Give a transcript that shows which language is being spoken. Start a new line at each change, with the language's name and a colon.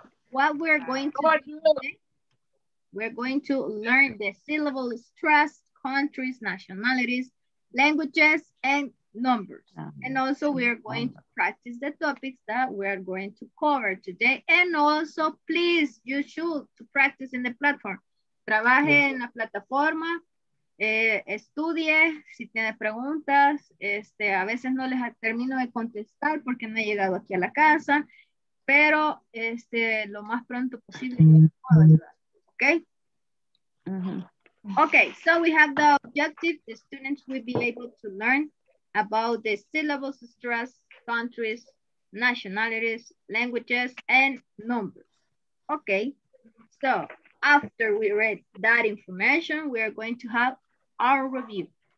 English: What we're going to do today, we're going to learn the syllable stress, countries, nationalities, languages, and numbers. And also we are going to practice the topics that we are going to cover today. And also, please, you should to practice in the platform.
Spanish: Trabaje en la plataforma, estudie, si tiene preguntas, a veces no les termino de contestar porque no he llegado aquí a la casa, pero lo más pronto posible puedo ayudar, ¿ok? Uh-huh.
English: Ok, so we have the objective, the students will be able to learn about the syllables, stress, countries, nationalities, languages, and numbers. Ok, so... After we read that information, we are going to have our review.